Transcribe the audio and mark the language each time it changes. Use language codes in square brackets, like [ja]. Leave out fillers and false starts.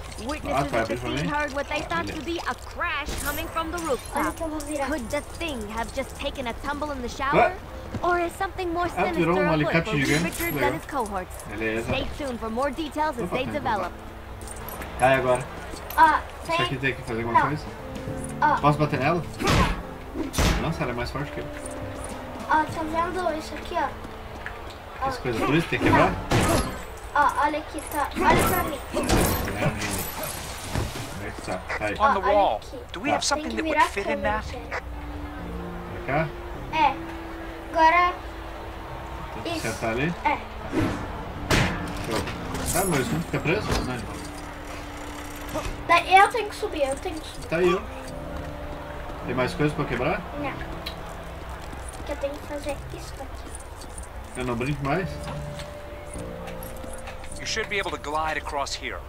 [en] Witnesses at the scene heard what they thought to be a crash coming from the rooftop. Could the thing have just taken a tumble in the shower? Or is something more sinister afoot for Reed Richards and his cohorts? [pt] Beleza. [en] Stay tuned for more details as they develop. [pt] Tá, e agora? Isso aqui tem que fazer alguma coisa? Posso bater nela? Nossa, ela é mais forte que eu. Tá vendo isso aqui, ó? As coisas duas tem que quebrar? Olha aqui, tá. Olha pra mim. É, menina. Onde é que tá? Tá aí. Olha aqui. [en] Do we have something that would fit in that? [pt] Vem cá? É. Agora. Tem que acertar ali? É. Show. Tá, meu irmão fica preso? Não, né? Eu tenho que subir, eu tenho que subir. Tá aí, ó. Tem mais coisa pra quebrar? Não. Porque eu tenho que fazer isso aqui. Eu não brinco mais? [en] You should be able to glide across here.